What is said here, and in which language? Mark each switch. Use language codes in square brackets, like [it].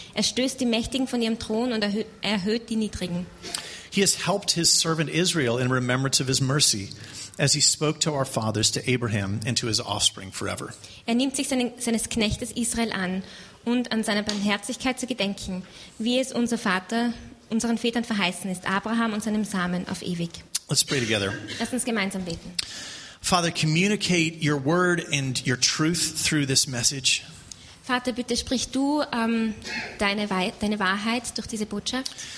[de] Er stößt die Mächtigen von ihrem Thron und erhöht die Niedrigen. [en] He has helped his servant Israel in remembrance of his mercy, as he spoke to our fathers, to Abraham and to his offspring forever. [de] Er nimmt sich seines Knechtes Israel an und an seine Barmherzigkeit zu gedenken, wie es unseren Vätern verheißen ist, Abraham und seinem Samen auf ewig. [en] Let's pray together. [de] Lass uns gemeinsam beten. [en] Father, communicate your word and your truth through this message. [de] Vater, bitte sprich du deine Wahrheit durch diese Botschaft.